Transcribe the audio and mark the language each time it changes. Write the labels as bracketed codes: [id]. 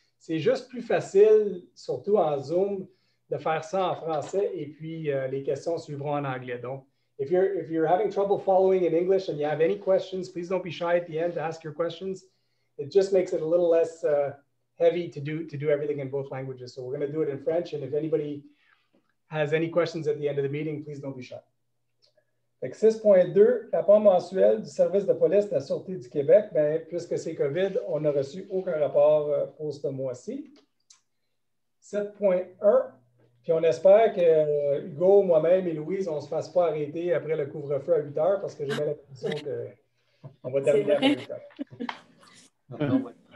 [fr] C'est juste plus facile, surtout en Zoom, de faire ça en français et puis les questions suivront en anglais. [en] Donc, if you're having trouble following in English and you have any questions, please don't be shy at the end to ask your questions. It just makes it a little less heavy to do everything in both languages. So we're going to do it in French. And if anybody has any questions at the end of the meeting, please don't be shy. [fr] 6.2, rapport mensuel du service de police de la Sûreté du Québec. Bien, puisque c'est COVID, on n'a reçu aucun rapport pour ce mois-ci. 7.1, puis on espère que Hugo, moi-même et Louise, on ne se fasse pas arrêter après le couvre-feu à 8 heures parce que j'ai l'impression qu'on va terminer à 8 heures.